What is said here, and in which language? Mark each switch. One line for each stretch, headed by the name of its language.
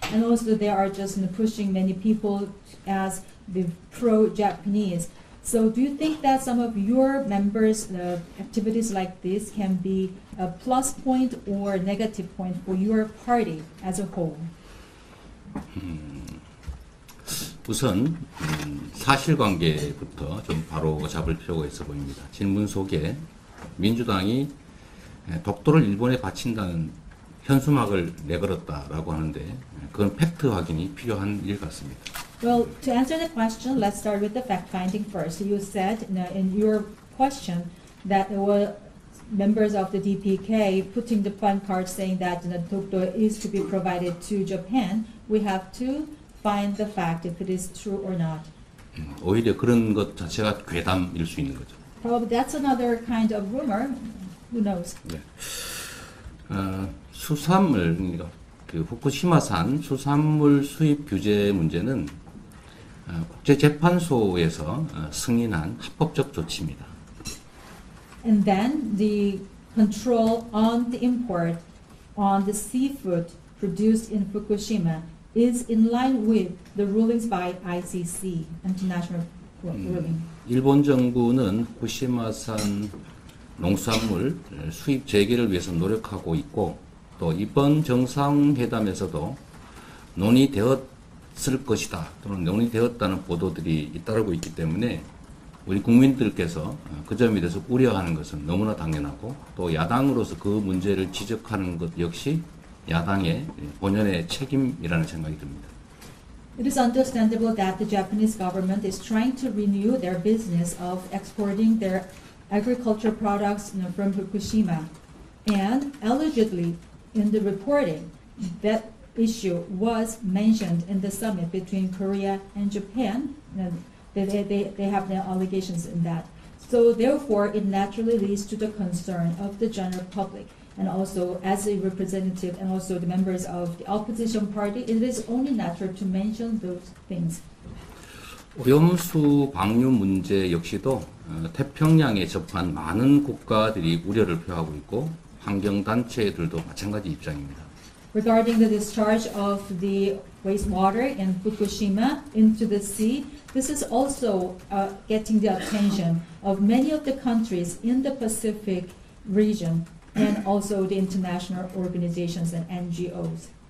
English: And also they are just pushing many people as the pro-Japanese. So do you think that some of your members' activities like this can be a plus point or negative point for your party as a whole?
Korean: 우선 사실관계부터 좀 바로 잡을 필요가 있어 보입니다. 질문 속에 민주당이 독도를 일본에 바친다는 현수막을 내걸었다라고 하는데 그건 팩트 확인이 필요한 일 같습니다.
English: Well, to answer the question, let's start with the fact finding first. You said in your question that there were members of the DPK putting the plan card saying that Tokyo is to be provided to Japan. We have to find the fact if it is true or not.
Korean: 오히려 그런 것 자체가 괴담일 수 있는 거죠.
English: Probably that's another kind of rumor. Who knows?
Korean: 네. 수산물, 그 후쿠시마산 수산물 수입 규제 문제는 국제재판소에서 승인한 합법적 조치입니다.
English: And then the control on the import on the seafood produced in Fukushima is in line with the rulings by ICC, International Ruling.
Korean: 일본 정부는 후쿠시마산 농산물 수입 재개를 위해서 노력하고 있고 또 이번 정상회담에서도 논의되었을 것이다 또는 논의되었다는 보도들이 잇따르고 있기 때문에 우리 국민들께서 그 점에 대해서 우려하는 것은 너무나 당연하고 또 야당으로서 그 문제를 지적하는 것 역시 야당의 본연의 책임이라는 생각이 듭니다.
English: It is understandable that the Japanese government is trying to renew their business of exporting their agriculture products from Fukushima. And allegedly in the reporting, that issue was mentioned in the summit between Korea and Japan. They have their allegations in that. So therefore, it naturally leads to the concern of the general public. And also as a representative and also the members of the opposition party, it is only natural to mention those things.
Korean: 오염수 방류 문제 역시도 태평양에 접한 많은 국가들이 우려를 표하고 있고 환경단체들도 마찬가지 입장입니다.
English: Regarding the discharge of the wastewater in Fukushima into the sea, this is also getting the attention of many of the countries in the Pacific region and also the international organizations and NGOs.